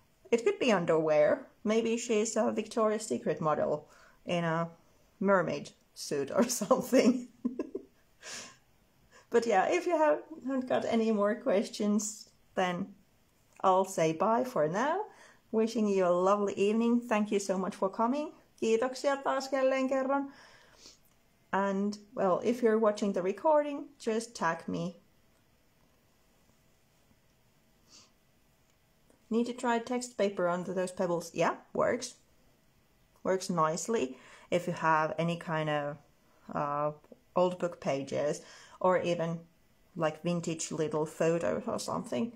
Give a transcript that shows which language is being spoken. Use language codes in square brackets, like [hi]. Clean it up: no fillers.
[en] It could be underwear. Maybe she's a Victoria's Secret model in a mermaid suit or something. But yeah, if you haven't got any more questions, then I'll say bye for now. Wishing you a lovely evening. Thank you so much for coming. [fi] Kiitoksia taas jälleen kerran. [en] And well, if you're watching the recording, just tag me. Need to try text paper under those pebbles. Yeah, works. Works nicely if you have any kind of old book pages, or even like vintage little photos or something.